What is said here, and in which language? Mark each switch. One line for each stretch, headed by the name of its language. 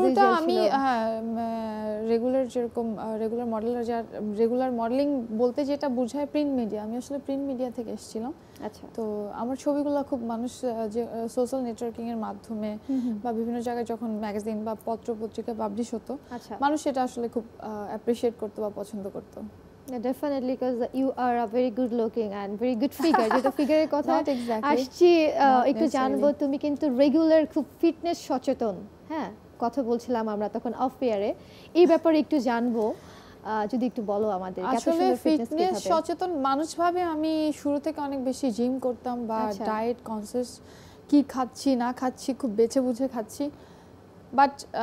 Bangla: শুটটা আমি, হ্যাঁ, রেগুলার যেরকম রেগুলার মডেলার, যার রেগুলার মডেলিং বলতে যেটা বোঝায় প্রিন্ট মিডিয়া, আমি আসলে প্রিন্ট মিডিয়া থেকে এসেছিলাম। আচ্ছা, তো আমার ছবিগুলো খুব মানুষ যে সোশ্যাল নেটওয়ার্কিং এর মাধ্যমে বা বিভিন্ন জায়গায় যখন ম্যাগাজিন বা পত্র পত্রিকা পাবলিশ হতো, মানুষ সেটা আসলে খুব অ্যাপ্রিশিয়েট করতো বা পছন্দ করতো।
English: definitely, because you are a very good looking and very good figure.
Bangla: যেটা ফিগারের কথা
English: not exactly
Bangla: আসছি একটু জানবো তুমি কিন্তু রেগুলার খুব ফিটনেস সচেতন হ্যাঁ কথা বলছিলাম আমরা তখন অফ পেয়ারে এই ব্যাপারে একটু জানবো যদি একটু বলো আমাদের আসলে ফিটনেস সচেতন মানুষ ভাবে আমি শুরু থেকে অনেক বেশি জিম করতাম বা ডায়েট কনসিয়াস কি খাচ্ছি না খাচ্ছি খুব বেছে বুঝে খাচ্ছি বাট